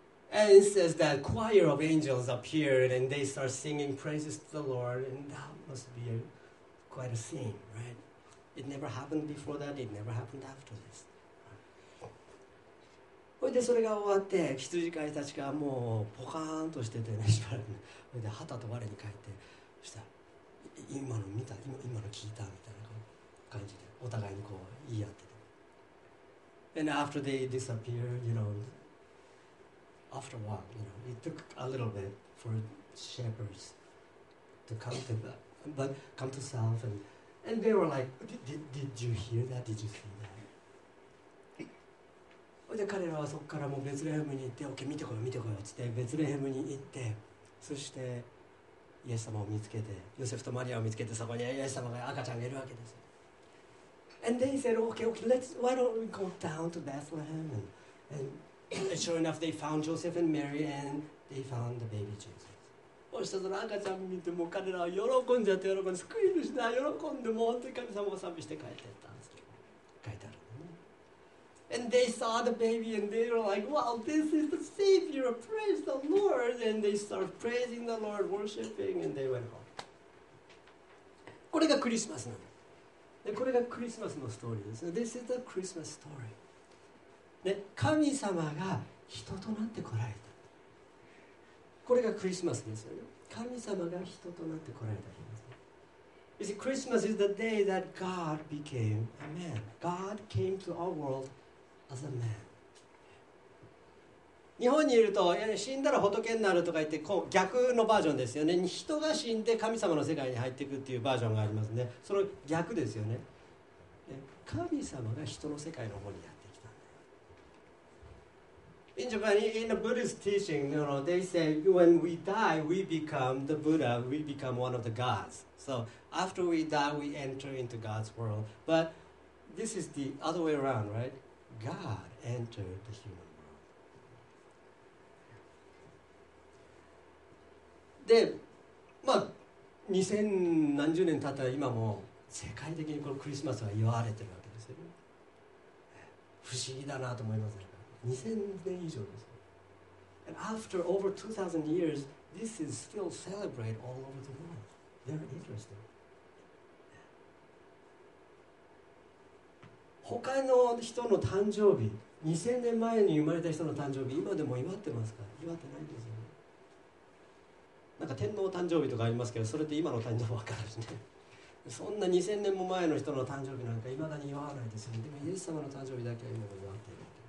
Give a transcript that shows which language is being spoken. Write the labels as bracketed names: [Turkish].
[English] And it says that choir of angels appeared and they start singing praises to the Lord and that must be aquite a scene, right? It never happened before that, it never happened after this. [Japanese] ほいでそれが終わって、羊飼いたちがもうポカーンとしててね、しばらく。ほいで、旗と我に返って、そしたら、今の見た、今の聞いたみたいな感じで、お互いにこう言い合ってて。 [English] And after they disappear, you know, after a while, you know, it took a little bit for shepherds to come to thatBut come to self, and they were like, did you hear that? Did you see that? [Japanese] そで彼らはそこからもうベツレヘムに行って、OK、見てこよう、見てこよう、つってベツレヘムに行って、そしてイエス様を見つけて、ヨセフとマリアを見つけて、そこにイエス様が赤ちゃんがいるわけです。 [English] And they said, okay, okay, let's, why don't we go down to Bethlehem? And sure enough, they found Joseph and Mary, and they found the baby Jesus. [Japanese] そしたら赤ちゃん見て、もう彼らは喜んじゃって喜んで、救い主だ、喜んで、もう本当に神様を賛美して帰っていったんですけど、書いてあるのね。 [English] And they saw the baby and they were like, wow, this is the Savior, praise the Lord! And they started praising the Lord, worshiping, and they went home. [Japanese] これがクリスマスなの。で、これがクリスマスのストーリーです。 [English] This is the Christmas story. [Japanese] で、神様が人となって来られた。これがクリスマスですよね。神様が人となって来られた日です。 [English] You see, Christmas is the day that God became a man. God came to our world as a man. [Japanese] 日本にいると、死んだら仏になるとか言って、こう逆のバージョンですよね。人が死んで神様の世界に入っていくっていうバージョンがありますね。その逆ですよね。神様が人の世界の方にやる。 [English] In Japan, in the Buddhist teaching, you know, they say when we die, we become the Buddha, we become one of the gods. So after we die, we enter into God's world. But this is the other way around, right? God entered the human world. [Japanese] で、まあ、2000何十年経ったら今も世界的にこのクリスマスは祝われてるわけですよ。不思議だなと思いますね。 [English] And after over 2,000 years, this is still celebrated all over the world. Very interesting. [Japanese] 他の人の誕生日、2,000 年前に生まれた人の誕生日、今でも祝ってますか？祝ってないですよね。なんか天皇誕生日とかありますけど、それって今の誕生日分かるしね。そんな2,000 年も前の人の誕生日なんか未だに祝わないですよね。でもイエス様の誕生日だけは今も祝っている。